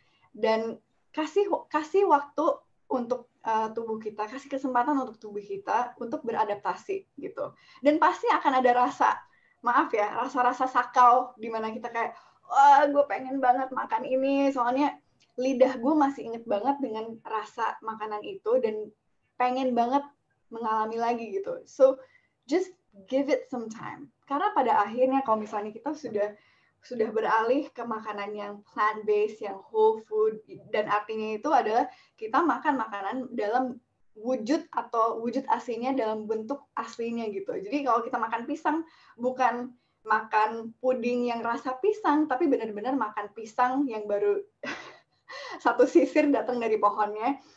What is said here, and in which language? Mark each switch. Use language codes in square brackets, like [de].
[id] Dan kasih waktu untuk tubuh kita, kasih kesempatan untuk tubuh kita untuk beradaptasi gitu. Dan pasti akan ada rasa, maaf ya, rasa-rasa sakau di mana kita kayak, wah, gue pengen banget makan ini. Soalnya lidah gue masih inget banget dengan rasa makanan itu dan pengen banget mengalami lagi gitu. [en] So, just give it some time. [id] Karena pada akhirnya kalau misalnya kita sudah beralih ke makanan yang plant-based, yang whole food, dan artinya itu adalah kita makan makanan dalam wujud atau wujud aslinya, dalam bentuk aslinya gitu. Jadi kalau kita makan pisang, bukan makan puding yang rasa pisang, tapi benar-benar makan pisang yang baru satu sisir datang dari pohonnya,